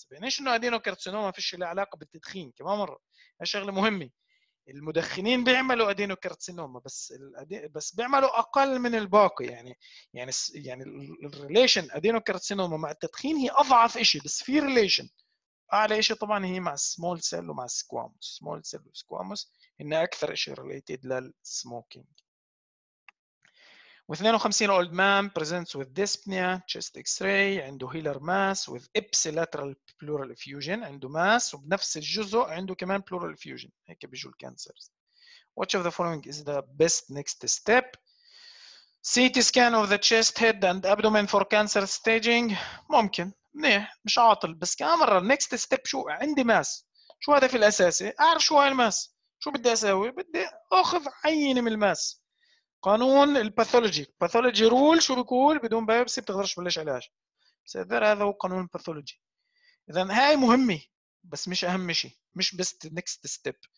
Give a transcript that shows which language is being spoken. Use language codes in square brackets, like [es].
[ar] يعني شنو أدينو كارسينوما؟ ما فيش له علاقة بالتدخين. كمان مرة شغلة مهمة، المدخنين بيعملوا أدينو كارسينوما بس بيعملوا أقل من الباقي. يعني الريليشن أدينو كارسينوما مع التدخين هي أضعف إشي، بس في ريليشن. أعلى إشي طبعا هي مع سمول سيل ومع سكواموس. سمول سيل وسكواموس إنه أكثر إشي [en] ريليتيد للسموكينج. و 52 old man presents with dyspnea, chest x-ray. [ar] عنده هيلر ماس [en] with ipsilateral pleural effusion. [ar] عنده ماس وبنفس الجزء عنده كمان pleural effusion. هيك بيجوا الكانسرز. [en] Which of the following is the best next step؟ CT scan of the chest, head and abdomen for cancer staging. [ar] ممكن، منيح، مش عاطل. بس كمان مرة [en] next step [ar] شو؟ عندي ماس، شو هدفي الأساسي؟ أعرف شو هاي الماس، شو بدي أساوي؟ بدي أخذ عينة من الماس. قانون الباثولوجي، باثولوجي رول شو بيقول؟ بدون بايوبسي بتقدرش تبلش علاج. بس هذا هو قانون الباثولوجي. اذا هاي مهمه بس مش اهم شيء، مش بس [en] نيكست ستيب.